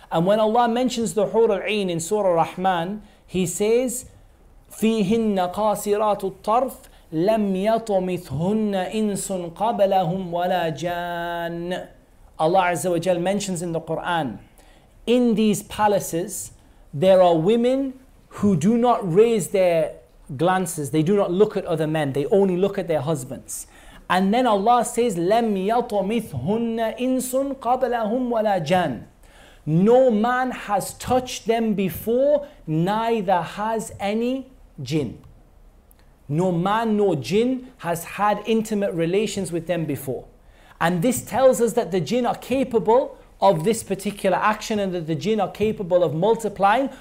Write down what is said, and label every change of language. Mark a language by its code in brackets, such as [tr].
[en] And when Allah mentions the Hur al-Ain in Surah Rahman, He says, [ar] فِيهِنَّ قَاسِرَاتُ الطَّرْفِ لَمْ يَطُمِثْهُنَّ إِنسٌ قَبَلَهُمْ وَلَا جَانَّ. [en] Allah Azza wa Jal mentions in the Quran, in these palaces, there are women who do not raise their glances, they do not look at other men, they only look at their husbands. And then Allah says, [ar] لَمْ يَطُمِثْهُنَّ إِنسٌ قَبَلَهُمْ وَلَا جَانَّ. [en] No man has touched them before, neither has any jinn. No man nor jinn has had intimate relations with them before. And this tells us that the jinn are capable of this particular action, and that the jinn are capable of multiplying.